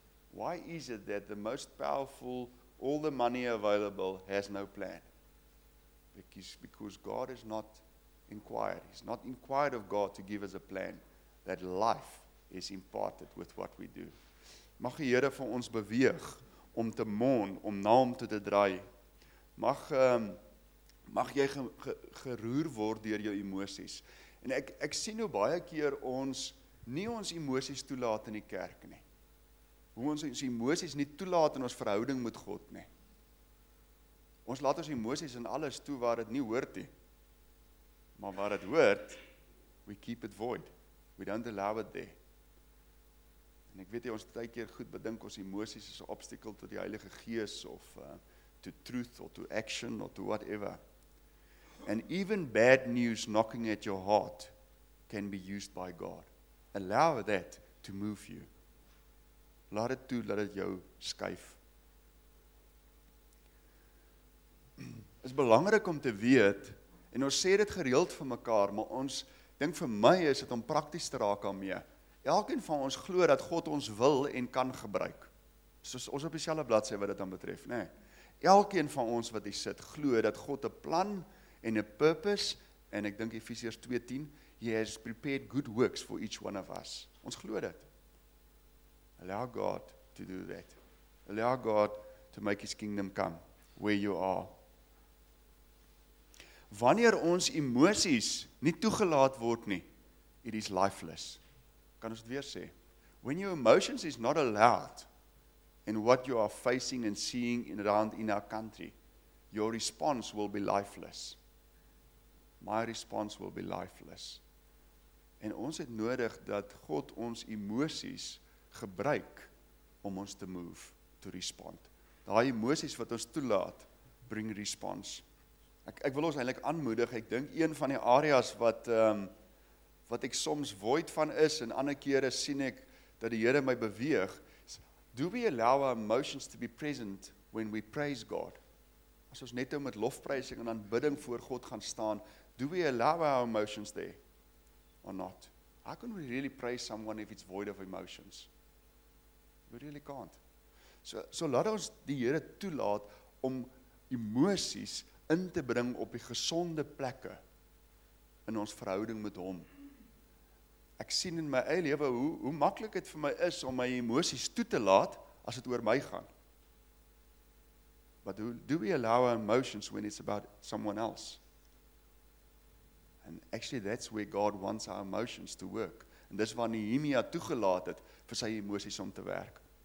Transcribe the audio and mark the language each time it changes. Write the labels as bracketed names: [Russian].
[English] Why is it that the most powerful, all the money available, has no plan? Because God is not inquired. He's not inquired of God to give us a plan. That life is imparted with what we do. [Afrikaans] Mag die Here vir ons beweeg om te moon, om na hom toe te draai. Mag jy geroer word deur jou emosies. En ek sien hoe baie keer ons nie ons emosies toelaat in die kerk nie. Hoe ons ons emosies nie toelaat in ons verhouding met God nie. Ons laat ons emosies in alles toe waar dit nie hoort nie. Maar waar dit hoort, [English] we keep it void. We don't allow it there. [Afrikaans] En ek weet jy, ons baie keer goed bedink ons emosies is 'n obstakel tot die Heilige Gees of [English] to truth or to action or to whatever. And even bad news knocking at your heart can be used by God. Allow that to move you. [Afrikaans] Laat dit toe, laat dit jou skuif. Dit is belangrik om te weet, en ons sê dit gereeld vir mekaar, maar ons dink vir my is dit om prakties te raak daarmee. Elkeen van ons glo dat God ons wil en kan gebruik. Soos ons op dieselfde bladsy wat dit dan betref, nê? Elkeen van ons wat hier sit, glo dat God 'n plan en 'n purpose, en ek dink Efesiërs 2:10, [English] He has prepared good works for each one of us. [Afrikaans] Ons glo dit. [English] Allow God to do that. Allow God to make His kingdom come where you are. [Afrikaans] Wanneer ons emosies nie toegelaat word nie, [English] it is lifeless. [Afrikaans] Kan ons dit weer sê? [English] When your emotions is not allowed in what you are facing and seeing around in our country, your response will be lifeless. My response will be lifeless. [Afrikaans] En ons het nodig dat God ons emosies gebruik om ons te move, [English] to respond. [Afrikaans] Daai emosies wat ons toelaat, bring response. Ek wil ons eintlik aanmoedig, ek dink een van die areas wat wat ek soms void van is, en ander kere sien ek dat die Here my beweeg, is, [English] do we allow our emotions to be present when we praise God? [Afrikaans] As ons net met lofprysing en aanbidding voor God gaan staan, [English] do we allow our emotions there or not? How can we really praise someone if it's void of emotions? We really can't. [Afrikaans] So laat ons die Here toelaat om emosies in te bring op die gesonde plekke in ons verhouding met hom. Ek sien in my eie lewe hoe maklik dit vir my is om my emosies toe te laat as dit oor my gaan. [English] But do we allow our emotions when it's about someone else? And actually that's where God wants our emotions to work. [Afrikaans] En dis waar Nehemia toegelaat het vir sy emosies om te werk.